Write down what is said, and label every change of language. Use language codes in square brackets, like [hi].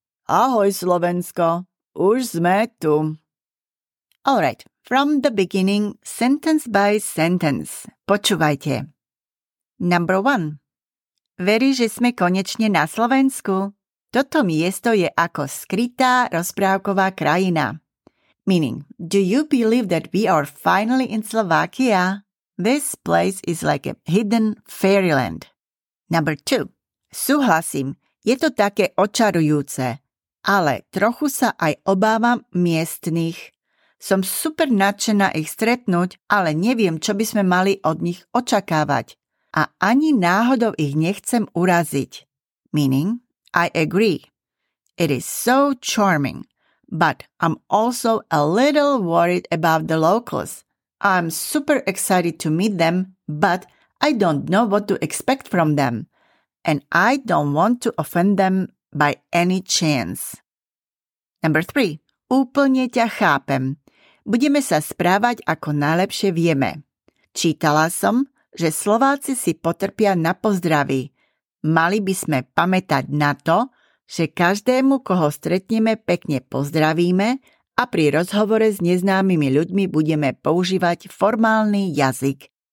[sk] Ahoj, Slovensko. Už sme tu. [en] All right. From the beginning, sentence by sentence. [sk] Počúvajte. [en] Number one. [sk] Veríš, že sme konečne na Slovensku? Toto miesto je ako skrytá rozprávková krajina. [en] meaning, do you believe that we are finally in Slovakia? This place is like a hidden fairyland. Number two. [sk] Súhlasím, je to také očarujúce, ale trochu sa aj obávam miestnych. Som super nadšená ich stretnúť, ale neviem, čo by sme mali od nich očakávať. A ani náhodou ich nechcem uraziť. [en] Meaning, I agree. It is so charming, but I'm also a little worried about the locals. I'm super excited to meet them, but I don't know what to expect from them. And I don't want to offend them by any chance. Number three. [sk] Úplne ťa chápem. Budeme sa správať, ako najlepšie vieme. Čítala som, že Slováci si potrpia na pozdraví. Mali by sme pamätať na to, že každému, koho stretneme, pekne pozdravíme a pri rozhovore s neznámymi ľuďmi budeme používať formálny jazyk.